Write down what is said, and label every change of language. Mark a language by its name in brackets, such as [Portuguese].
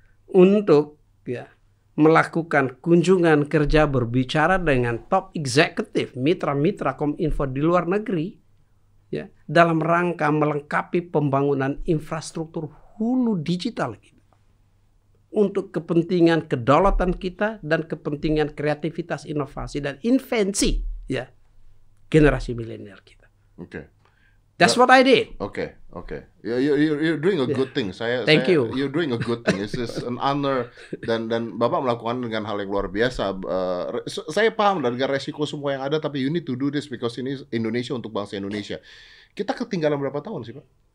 [Indonesian] Untuk ya melakukan kunjungan kerja berbicara dengan top executive, mitra-mitra Kominfo di luar negeri, ya dalam rangka melengkapi pembangunan infrastruktur hulu digital kita untuk kepentingan kedaulatan kita dan kepentingan kreativitas, inovasi dan invensi ya generasi milenial kita. Oke. [English] That's what I did. Okay. You're doing a good thing. Thank you. You're doing a good thing. This is an honor. [Indonesian] Dan Bapak melakukan dengan hal yang luar biasa. Saya paham dengan resiko semua yang ada, tapi [English] you need to do this because [Indonesian] ini Indonesia untuk bangsa Indonesia. Kita ketinggalan berapa tahun sih, Pak?